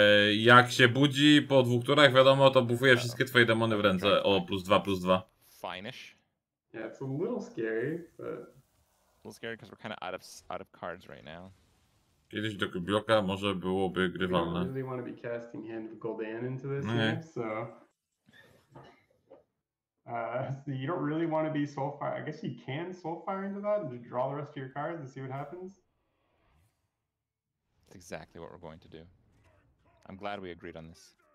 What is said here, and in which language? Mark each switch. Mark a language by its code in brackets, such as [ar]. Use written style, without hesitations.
[pl] Jak się budzi po dwóch turach, wiadomo, to bufuje wszystkie twoje demony w ręce. O, +2/+2. [en] Fine-ish. Yeah, it's a little scary, but... A little scary because we're kind of out of cards right now. [pl] Kiedyś do Kubioka może byłoby grywalne. [en] We don't really want to be casting Hand of Gul'dan into this game, so... so you don't really want to be Soulfire. I guess you can Soulfire into that and just draw the rest of your cards and see what happens. That's exactly what we're going to do. I'm glad we agreed on this.